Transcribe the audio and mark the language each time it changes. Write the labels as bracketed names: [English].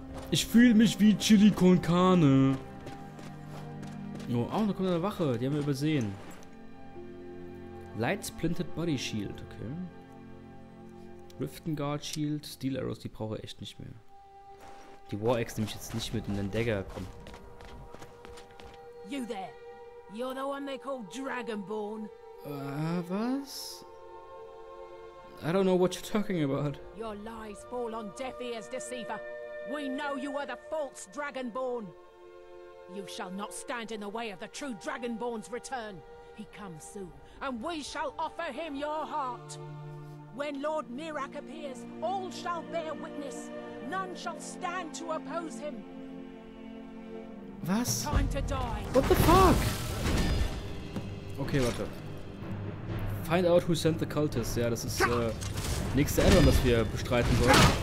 [German] Ich fühle mich wie Chili con Carne. Oh, auch noch kommt eine Wache. Die haben wir übersehen. [English] Light Splinted Body Shield. Okay. Riften Guard Shield. [German] Steel Arrows, die brauche ich echt nicht mehr. Die War Axe nehme ich jetzt nicht mit in den Dagger. Komm. [English] You there. You're the one they call Dragonborn. [German] Was? [English] I don't know what you're talking about. Your lies fall on deaf ears, deceiver. We know you are the false Dragonborn. You shall not stand in the way of the true Dragonborn's return. He comes soon, and we shall offer him your heart. When Lord Mirak appears, all shall bear witness. None shall stand to oppose him. [German] Was? [English] Time to die. What the fuck? Okay, warte. Find out who sent the cultists. [German] Ja, das ist nächste Addon, das wir bestreiten wollen.